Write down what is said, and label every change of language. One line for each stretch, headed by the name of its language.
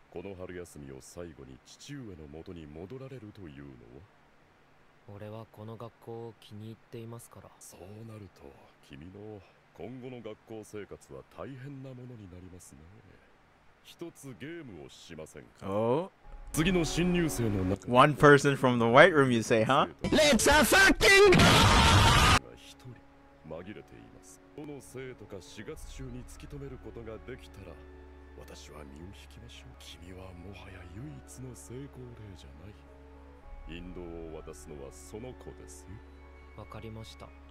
Japanese: この春休みを最後に父上の元に戻られるというのは。俺はこの学校を気に入っていますから。そうなると、君の今後の学校生活は大変なものになりますね。一つゲームをしませんか。次の新入生の中。
English: One person from the white room, you say, huh? Let's a fucking go!
Japanese: 一人紛れています。この生徒か4月中に突き止めることができたら。私は身を引きましょう。君はもはや唯一の成功例じゃない。引導を渡すのはその子ですよ。わかりました。